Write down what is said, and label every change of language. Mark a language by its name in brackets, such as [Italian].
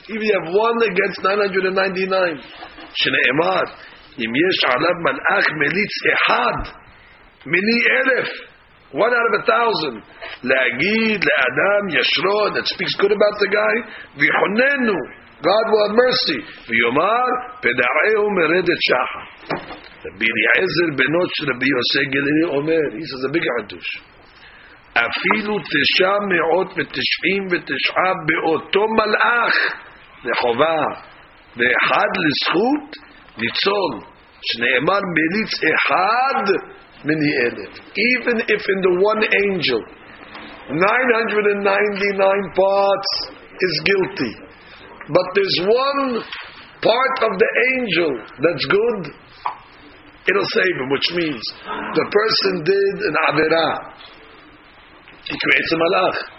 [English] If you have one against 999, [Hebrew] shene emad, im yesh alav malach melitz ehad, mini elef, [English] one out of 1,000, [Hebrew] la'agid, la'adam, yashro, [English] that speaks good about the guy, v'chonenu, God will have mercy, [Hebrew] v'yomar, pedareu meredet shachar. [English] Rabbi Eliezer [Hebrew] benot shel [English] Rabbi Yosef Galili omer, he says a big hadush. [Hebrew] אפילו תשע מאות ותשעים ותשעה באותו מלאך לחובה ואחד לזכות ניצול שנאמר מליץ אחד מני אלף. [English] Even if in the one angel 999 parts is guilty, but there's one part of the angel that's good, it'll save him, which means the person did an avera. He creates a malach.